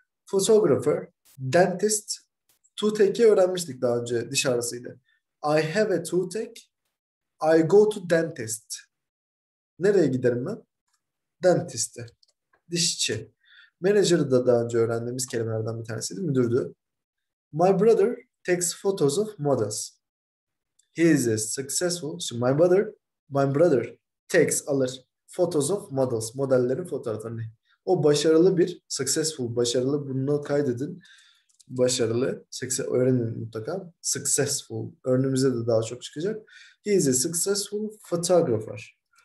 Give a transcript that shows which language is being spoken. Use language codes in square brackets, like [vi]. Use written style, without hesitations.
[tr] Photographer, dentist, toothache'i öğrenmiştik daha önce, diş ağrısıydı. [en] I have a toothache. I go to dentist. [tr] Nereye giderim ben? Dentist'e. Dişçi. Manager da daha önce öğrendiğimiz kelimelerden bir tanesiydi, müdürdü. [en] My brother takes photos of models. He is a successful. So my brother takes [tr] alır. [en] Photos of models. [tr] Modellerin fotoğraflarını. O başarılı bir. Successful. Başarılı. Bunu kaydedin. Başarılı. Öğrenin mutlaka. Successful. Örneğimize de daha çok çıkacak. [en] He is a successful photographer.